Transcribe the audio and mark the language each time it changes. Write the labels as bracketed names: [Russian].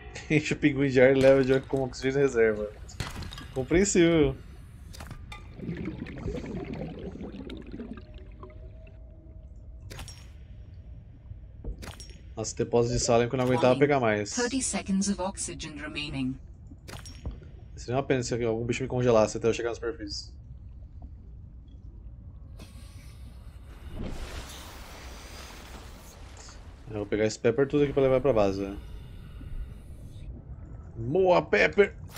[Portuguese] Enche o pinguim de ar e leva de óculos com oxigênio reserva. Compreensível. Nossa, depósito de sal, que eu não aguentava pegar mais. [English] 30 seconds of oxygen remaining. [Portuguese] Seria uma pena se algum bicho me congelasse até eu chegar na superfície. Eu vou pegar esse pepper tudo aqui pra levar pra base. Boa, pepper!